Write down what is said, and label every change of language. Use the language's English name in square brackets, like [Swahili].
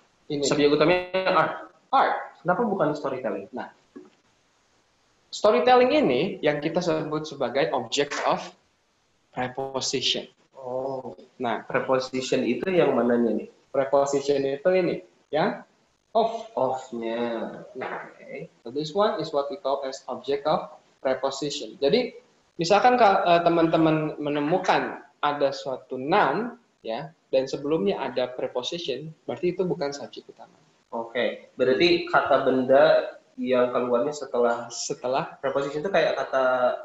[Indonesian] Ini. Subject utamanya art. Art. Kenapa bukan storytelling? Nah, Storytelling ini yang kita sebut sebagai [English] object of preposition. [Indonesian] Oh. Nah, preposition itu yang mananya nih? Preposition itu ini, ya? Of. Of-nya. Okay. [English] So this one is what we call as object of preposition. [Indonesian] Jadi, misalkan teman-teman menemukan ada suatu noun, ya, dan sebelumnya ada preposition, berarti itu bukan subjek utama. Oke. Okay. Berarti kata benda yang keluarnya setelah preposition itu kayak kata